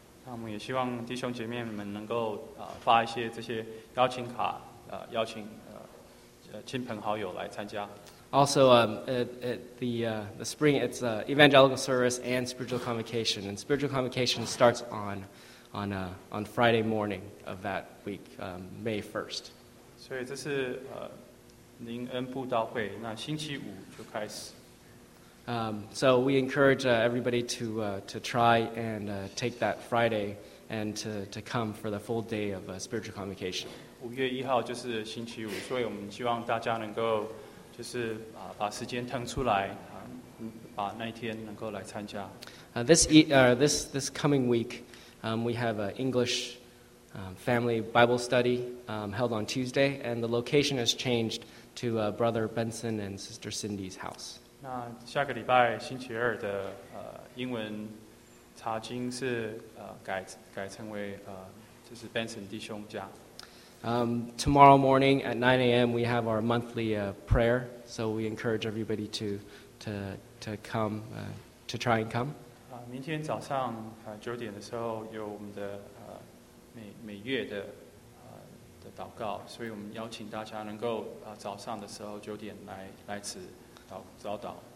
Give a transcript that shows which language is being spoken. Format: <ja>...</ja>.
<zh>那我们也希望弟兄姐妹们能够 发一些这些邀请卡 邀请 亲朋好友来参加</zh> <en>Also the spring it's evangelical service and spiritual convocation and spiritual convocation starts on Friday morning of that week May 1st</en> <zh>所以这是 灵恩布道会 那星期五就开始</zh> <en>So we encourage everybody to try and take that Friday and to come for the full day of spiritual convocation.</en> <zh>5月1号就是星期五, 所以我们希望大家能够就是, 把时间腾出来, 把那一天能够来参加。</zh> <en>This coming week, we have an English family Bible study held on Tuesday, and the location has changed to Brother Benson and Sister Cindy's house.</en> <zh>那下个礼拜星期二的 英文查经是 改成为 就是 Benson 弟兄家</zh> <en>Tomorrow morning at 9 a.m. we have our monthly prayer so we encourage everybody to come to try and come</en> <zh>明天早上 9点的时候有我们的 每月的 祷告 所以我们邀请大家能够 早上的时候 9点来此 早祷</zh>